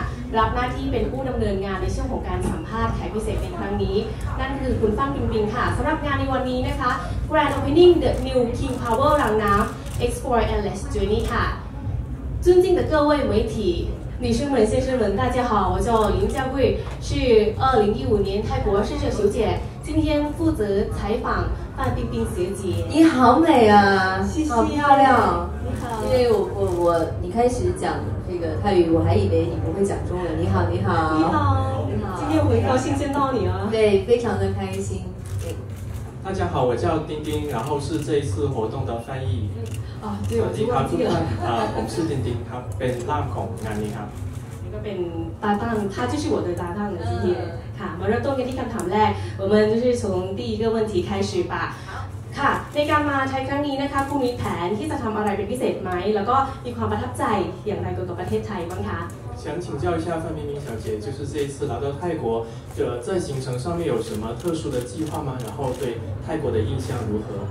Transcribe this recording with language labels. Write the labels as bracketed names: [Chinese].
[Thai] 2015รับหน้าที่เป็นผู้ดำเนินงานในช่วงของการสัมภาษณ์แขกพิเศษในครั้งนี้นั่นคือคุณฟั่งปิงปิงค่ะสำหรับงานในวันนี้นะคะ Grand Opening The New King Power รังน้ำ Explore Endless Journey ค่ะ [Chinese] 尊敬的各位媒体女士们先生们大家好我叫林佳慧是2015年泰国深圳学姐今天负责采访范冰冰学姐你好美啊谢谢好漂亮你好因为我你开始讲这个泰语我还以为你不会讲中文你好你好你好今天我很高兴见到你啊对非常的开心大家好我叫丁丁然后是这一次活动的翻译对，我是丁丁，他变拉孔，那你好。那个变搭档，他就是我的搭档了，今天。卡，马拉多尼蒂卡坦勒，我们就是从第一个问题开始吧。 [Thai] ค่ะในการมาไทยครั้งนี้นะคะคุณมีแผนที่จะทำอะไรเป็นพิเศษไหมแล้วก็มีความประทับใจอย่างไรเกี่ยวกับประเทศไทยบ้างคะ [Chinese] 想请教一下范冰冰小姐就是这一次来到泰国的在行程上面有什么特殊的计划吗然后对泰国的印象如何